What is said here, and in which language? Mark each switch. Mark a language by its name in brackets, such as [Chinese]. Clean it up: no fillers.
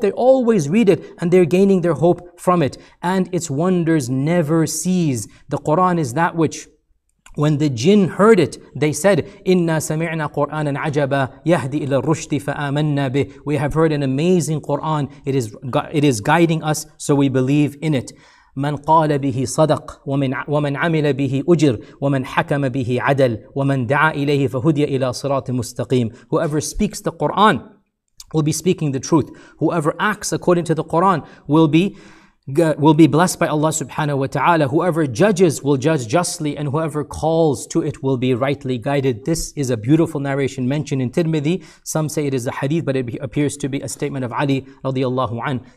[English] They always read it and they're gaining their hope from it. And its wonders never cease. The Quran is that which, when the jinn heard it, they said, [Arabic] "Inna sami'na Qur'anan 'ajaba yahdi ila rushdi fa amanna bih." [English] We have heard an amazing Quran. It is guiding us, so we believe in it. [Arabic] من قال به صدق ومن عمل به أجر ومن حكم به عدل ومن دعا إليه فهدي إلى صراط مستقيم. [English] Whoever speaks the Quran will be speaking the truth. Whoever acts according to the Quran will be blessed by Allah subhanahu wa ta'ala. Whoever judges will judge justly, and whoever calls to it will be rightly guided. This is a beautiful narration mentioned in Tirmidhi. Some say it is a hadith, but it appears to be a statement of Ali radiallahu anhu.